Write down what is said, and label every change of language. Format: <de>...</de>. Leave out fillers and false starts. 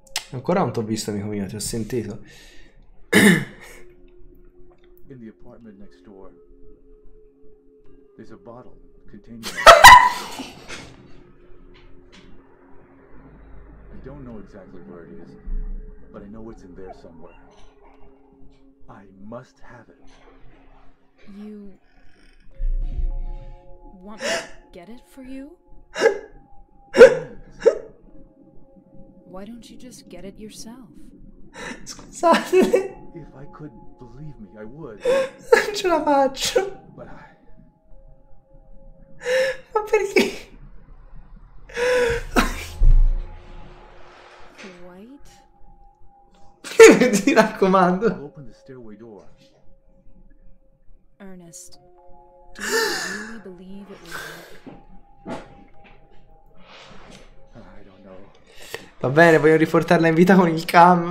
<it>Ancora non t'ho visto, amico mio, ti ho sentito.</it> <en>In the apartment next door, there's a bottle containing. I don't know exactly where it is, but I know it's in there somewhere. I must have it. You want me to get it for you? Why don't you just get it yourself?</en> <it>Scusate.</it> <en>If I could, believe me, I would.</en> <it>Non ce la faccio.</it> <en>But I...</en> <it>Ma perché?</it> <en>Dwight?</en> <it>Ti raccomando.</it> <en>I'll open the stairway door. Ernest, do you really believe it will work?</en> <it>Va bene, voglio riportarla in vita con il cam.</it>